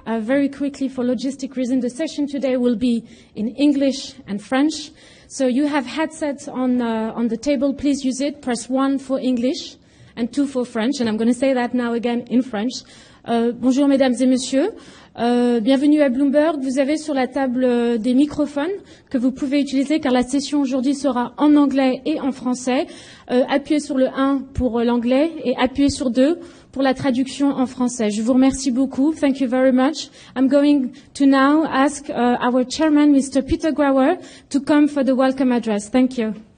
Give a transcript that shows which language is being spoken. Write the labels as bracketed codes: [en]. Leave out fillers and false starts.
[en] Very quickly, for logistic reasons, the session today will be in English and French. So you have headsets on the table. Please use it. Press one for English and two for French. And I'm going to say that now again in French. [fr] Bonjour, mesdames et messieurs. Bienvenue à Bloomberg. Vous avez sur la table des microphones que vous pouvez utiliser car la session aujourd'hui sera en anglais et en français. Appuyez sur le 1 pour l'anglais et appuyez sur 2 pour la traduction en français. Je vous remercie beaucoup. [en] Thank you very much. I'm going to now ask our chairman, Mr. Peter Grauer, to come for the welcome address. Thank you.